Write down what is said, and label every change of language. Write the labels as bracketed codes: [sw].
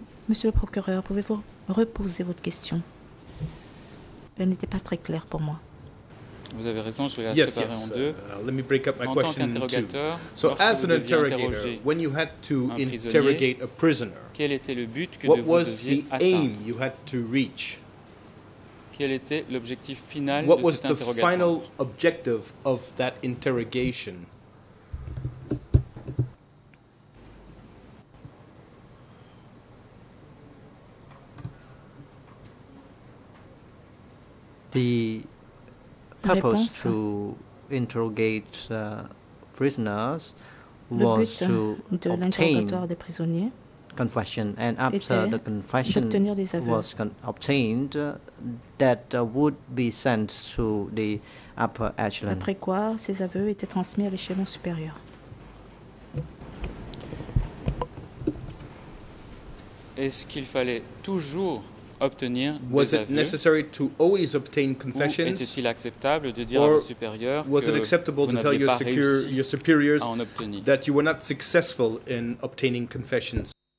[fr] Monsieur le procureur, pouvez-vous reposer votre question? Elle n'était pas très claire pour moi. Vous avez raison, je vais la séparer en deux. [en] Let me break up my question in two. So as an interrogator, when you had to interrogate a prisoner, [fr] quel était le but que [en] what was the aim you had to reach? [fr] Quel était l'objectif final [en] what was the final objective of that interrogation? The purpose to interrogate prisoners was to obtain confession, and after the confession was obtained, that would be sent to the upper echelon. [fr] Après quoi, ces aveux étaient transmis à l'échelon supérieur. Est-ce qu'il fallait toujours obtenir [en] was it necessary to always obtain confessions? [fr] Ou était-il acceptable de dire à vos supérieurs [en] was it acceptable to tell your superiors that you were not successful in obtaining confessions?